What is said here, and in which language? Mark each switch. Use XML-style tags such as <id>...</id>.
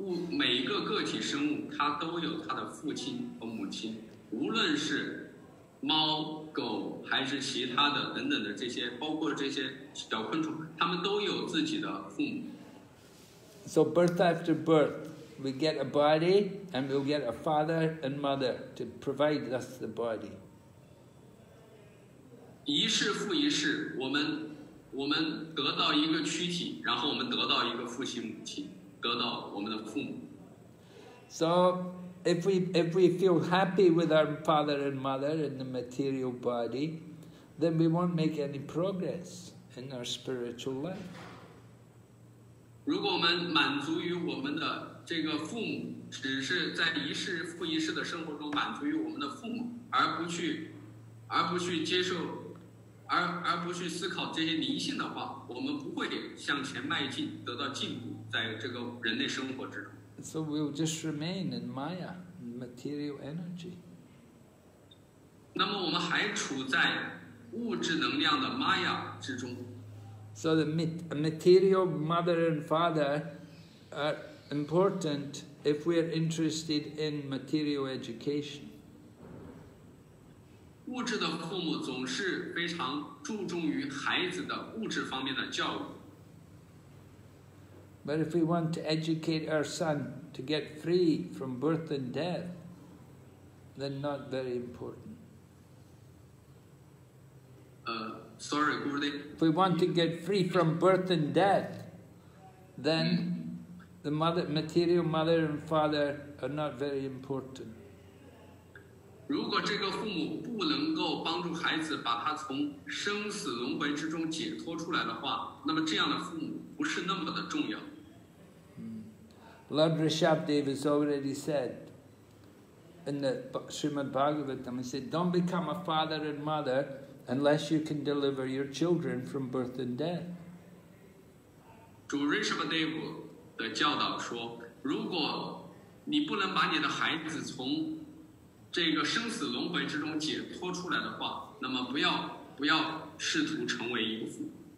<zh>每一个个体生物它都有它的父亲和母亲，无论是猫狗还是其他的等等的这些，包括这些小昆虫，它们都有自己的父母。</zh> <en>So birth after birth,we get a body and we'll get a father and mother to provide us the body.</en> <zh>一世复一世，我们得到一个躯体，然后我们得到一个父亲母亲，得到我们的父母。</zh> <en>So if we feel happy with our father and mother in the material body, then we won't make any progress in our spiritual life.</en> <zh>如果我们满足于我们的这个父母，只是在一世复一世的生活中满足于我们的父母，而不去接受，而不去思考这些灵性的话，我们不会向前迈进，得到进步，在这个人类生活之中。</zh> <en>So we'll just remain in Maya, material energy.</en> <zh>那么我们还处在物质能量的 Maya 之中。</zh> <en>So the material mother and father are. Important if we are interested in material education.</en> <zh>物质的父母总是非常注重于孩子的物质方面的教育。</zh> <en>But if we want to educate our son to get free from birth and death, then not very important. Sorry, Gurudev. If we want to get free from birth and death, then the mother, material mother and father are not very important.</en> <zh>如果这个父母不能够帮助孩子把他从生死轮回之中解脱出来的话，那么这样的父母不是那么的重要。</zh> <en>Lord Rishabhdev has already said in the Srimad Bhagavatam, he said, don't become a father and mother unless you can deliver your children from birth and death.</en> <zh>主 Rishabhdev 的教导说，如果你不能把你的孩子从这个生死轮回之中解脱出来的话，那么不要试图成为父母。</zh>